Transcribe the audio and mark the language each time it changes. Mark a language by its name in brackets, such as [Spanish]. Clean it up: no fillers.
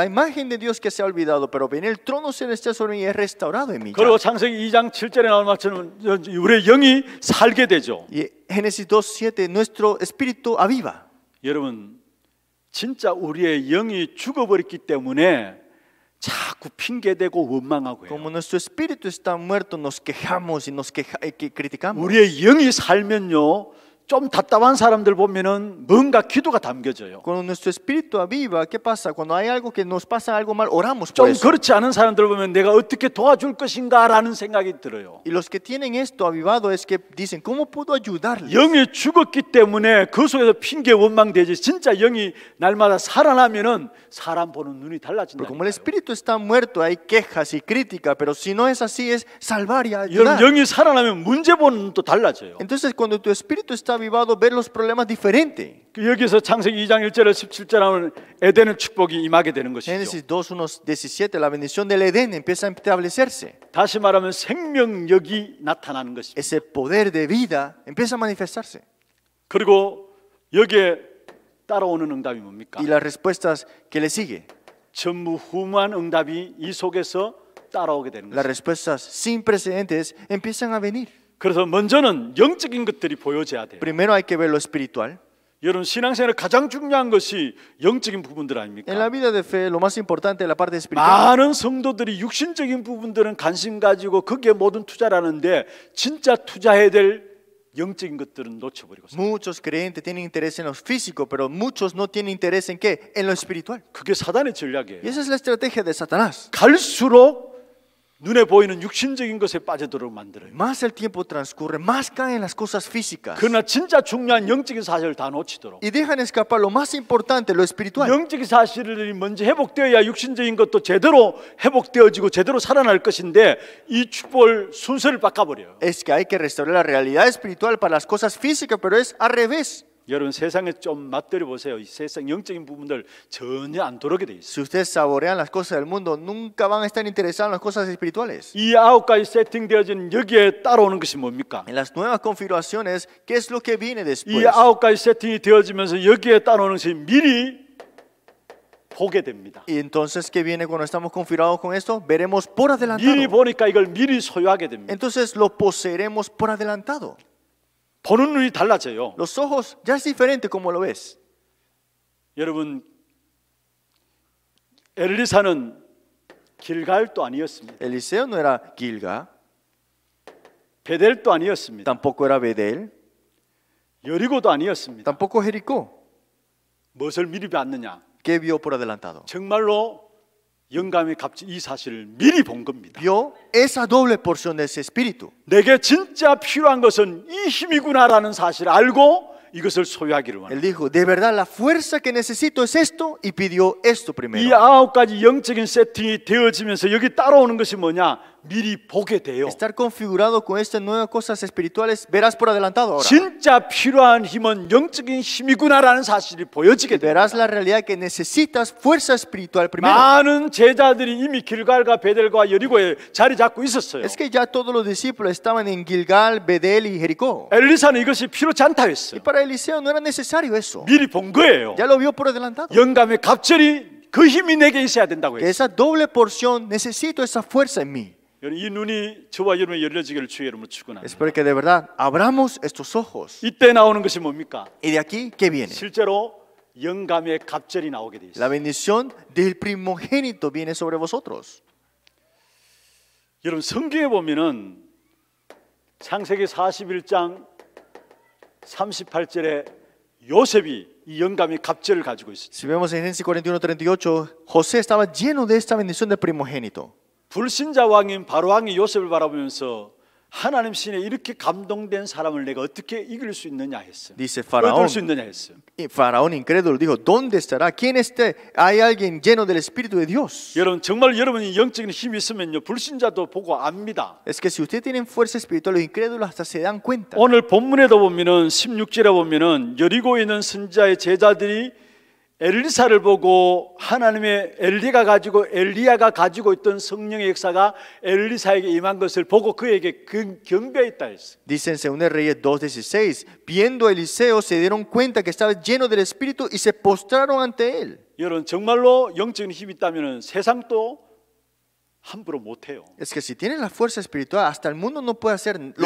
[Spanish] La imagen de Dios que se ha olvidado, pero viene el trono celestial sobre mí es restaurado en mí. [Korean] 그리고 창세기 2장 7절에 나온 것처럼 우리의 영이 살게 되죠. [Spanish] Y Génesis 2:7 nuestro espíritu aviva. [Korean] 여러분 진짜 우리의 영이 죽어버렸기 때문에 자꾸 핑계대고 원망하고요. [Spanish] Como nuestro espíritu está muerto, nos quejamos y nos criticamos. [Korean] 우리의 영이 살면요, 좀 답답한 사람들 보면은 뭔가 기도가 담겨져요. [Spanish] Cuando nuestro espíritu aviva, ¿qué pasa? Cuando hay algo que nos pasa algo mal, oramos. [Korean] 좀 그렇지 않은 사람들 보면 내가 어떻게 도와줄 것인가라는 생각이 들어요. [Spanish] Y los que tienen esto avivado es que dicen, ¿cómo puedo ayudarles? [Korean] 영이 죽었기 때문에 그 속에서 핑계 원망 되지. 진짜 영이 날마다 살아나면은 사람 보는 눈이 달라진다. [Spanish] Pero como el espíritu está muerto, hay quejas y crítica, pero si no es así es salvar y ayudar. [Korean] 영이 살아나면 문제 보는 눈도 달라져요. [Spanish] Entonces cuando tu espíritu está avivado ver los problemas diferente. [Korean] 여기서 창세기 2장 1절을 17절 하면 에덴의 축복이 임하게 되는 것이죠. [Spanish] Génesis 2:17 la bendición del Edén empieza a establecerse. [Korean] 다시 말하면 생명력이 나타나는 것입니다. [Spanish] Ese poder de vida empieza a manifestarse. [Korean] 그리고 여기에 따라오는 응답이 뭡니까? [Spanish] Y las respuestas que le sigue. [Korean] 전무후무한 응답이 이 속에서 따라오게 되는 것. [Spanish] Las respuestas sin precedentes empiezan a venir. [Korean] 그래서 먼저는 영적인 것들이 보여져야 돼요. [Spanish] Primero hay que ver lo espiritual. [Korean] 여러분 신앙생활 가장 중요한 것이 영적인 부분들 아닙니까? [Spanish] En la vida de fe lo más importante es la parte espiritual. [Korean] 많은 성도들이 육신적인 부분들은 관심 가지고 거기에 모든 투자를 하는데 진짜 투자해야 될 영적인 것들은 놓쳐버리고 있어요. [Spanish] Muchos creyentes tienen interés en lo físico, pero muchos no tienen interés en qué? En lo espiritual. [Korean] 그게 사단의 전략이에요. [Spanish] Y esa es la estrategia de Satanás. [Korean] 갈수록 눈에 보이는 육신적인 것에 빠져들어 만들어요. [Spanish] Más el tiempo transcurre, más caen en las cosas físicas. [Korean] 그러나 진짜 중요한 영적인 사실을 다 놓치도록. [Spanish] Y dejan escapar lo más importante, lo espiritual. [Korean] 영적인 사실을 먼저 회복되어야 육신적인 것도 제대로 회복되어지고 제대로 살아날 것인데 이 축복 순서를 바꿔버려요. [Spanish] Es que hay que restaurar la realidad espiritual para las cosas físicas, pero es al revés. [Korean] 여러분 세상에 좀 맛들여 보세요. 세상 영적인 부분들 전혀 안 돌아오게 돼 있어요. [Spanish] Si ustedes saborean las cosas del mundo, nunca van a estar interesados en las cosas espirituales. [Korean] 이 아홉 가지 세팅되어진 여기에 따라오는 것이 뭡니까? [Spanish] En las nuevas configuraciones, ¿qué es lo que viene después? [Korean] 이 아홉 가지 세팅이 되어지면서 여기에 따라오는 것이 미리 보게 됩니다. [Spanish] Y entonces qué viene cuando estamos configurados con esto? Veremos por adelantado. [Korean] 미리 보니까 이걸 미리 소유하게 됩니다. [Spanish] Entonces lo poseeremos por adelantado. [Korean] 보는 눈이 달라져요. [Spanish] Los ojos ya es diferente como lo ves. [Korean] 여러분 엘리사는 길갈도 아니었습니다. [Spanish] Eliseo no era Gilga. [Korean] 베델도 아니었습니다. [Spanish] Tampoco era Betel. [Korean] 여리고도 아니었습니다. [Spanish] Tampoco Jericó. [Korean] 무엇을 미리 봤느냐? [Spanish] Que vio por adelantado. [Korean] 정말로 영감이 갑자기 이 사실을 미리 본 겁니다. [Spanish] Vio esa doble porción de ese espíritu. [Korean] 내게 진짜 필요한 것은 이 힘이구나라는 사실을 알고 이것을 소유하기를 원합니다. [Spanish] Él dijo, de verdad la fuerza que necesito es esto y pidió esto primero. [Korean] 이 아홉 가지 영적인 세팅이 되어지면서 여기 따라오는 것이 뭐냐? 미리 보게 돼요. [Spanish] Estar configurado con estas nuevas cosas espirituales verás por adelantado ahora. [Korean] 진짜 필요한 힘은 영적인 힘이구나라는 사실이 보여지게 돼. [Spanish] Verás la realidad que necesitas fuerza espiritual primero. [Korean] 많은 제자들이 이미 길갈과 베델과 여리고에 자리 잡고 있었어요. [Spanish] Es que ya todos los discípulos estaban en Gilgal, Betel y Jericó. [Korean] 엘리사는 이것이 필요치 않다 했어요. [Spanish] Y para Eliseo no era necesario eso. [Korean] 미리 본 거예요. [Spanish] Ya lo vio por adelantado. [Korean] 영감에 갑절이 그 힘이 내게 있어야 된다고 했어요. [Spanish] Esa doble porción necesito esa fuerza en mí. [Korean] 이 눈이 저와 여러분 열려지기를 주여 여러분 축원합니다. [Spanish] Espero que de verdad abramos estos ojos. [Korean] 이때 나오는 것이 뭡니까? [Spanish] Y de aquí qué viene. [Korean] 실제로 영감의 갑절이 나오게 돼 있어. [Spanish] La bendición del primogénito viene sobre vosotros. [Korean] 여러분 성경에 보면은 창세기 41장 38절에 요셉이 이 영감이 갑절을 가지고 있어. [Spanish] Si vemos en Génesis 41:38, José estaba lleno de esta bendición del primogénito. [Korean] 불신자 왕인 바로 왕이 요셉을 바라보면서 하나님 신에 이렇게 감동된 사람을 내가 어떻게 이길 수 있느냐 했어요. [Spanish] Dice faraón. [Korean] 얻을 수 있느냐 했어요. [Spanish] Y faraón incrédulo dijo, ¿dónde estará? ¿Quién esté? Hay alguien lleno del espíritu de Dios. [Korean] 여러분 정말 여러분이 영적인 힘이 있으면요. 불신자도 보고 압니다. [Spanish] Es que si usted tiene fuerza espiritual, los incrédulos hasta se dan cuenta. [Korean] 오늘 본문에도 보면은 16절에 보면은 여리고에 있는 선지자의 제자들이 엘리사를 보고 하나님의 엘리가 가지고 엘리야가 가지고 있던 성령의 역사가 엘리사에게 임한 것을 보고 그에게 경배했다 했어. [Spanish] Dicen segundo Reyes 2:16, viendo Eliseo se dieron cuenta que estaba lleno del espíritu y se postraron ante él. [Korean] 여러분 정말로 영적인 힘이 있다면은 세상도 함부로 못 해요. [Spanish] Es que si tienen la fuerza espiritual hasta el mundo no puede hacer lo